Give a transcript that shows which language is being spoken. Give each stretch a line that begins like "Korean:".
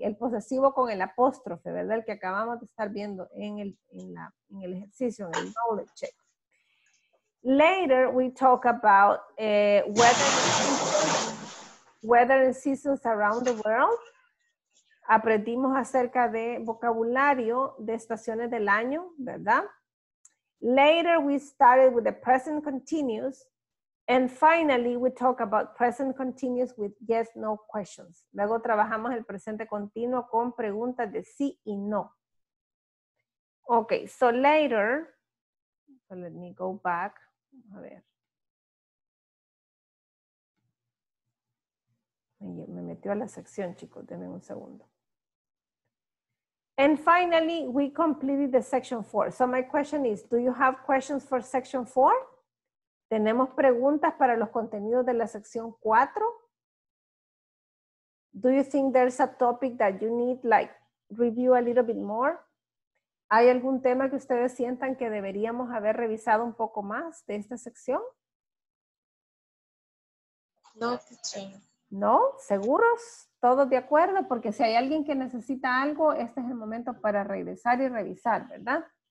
Spanish: El posesivo con el apóstrofe, ¿verdad? El que acabamos de estar viendo en el ejercicio, en el knowledge check.
English: Later we talk about weather and seasons around the world.
Spanish: Aprendimos acerca de vocabulario de estaciones del año, ¿verdad?
English: Later we started with the present continuous. And finally we talk about present continuous with yes, no questions.
Spanish: Luego trabajamos el presente continuo con preguntas de sí y no.
English: Okay, so later, so let me go back,
Spanish: a ver. Me metió a la sección, chicos. Denme un segundo.
English: And finally, we completed the section 4. So my question is, do you have questions for section 4?
Spanish: ¿Tenemos preguntas para los contenidos de la sección 4?
English: Do you think there's a topic that you need, like, review a little bit more?
Spanish: ¿Hay algún tema que ustedes sientan que deberíamos haber revisado un poco más de esta sección?
English: No, teacher.
Spanish: ¿No? ¿Seguros? ¿Todos de acuerdo? Porque si hay alguien que necesita algo, este es el momento para regresar y revisar, ¿verdad?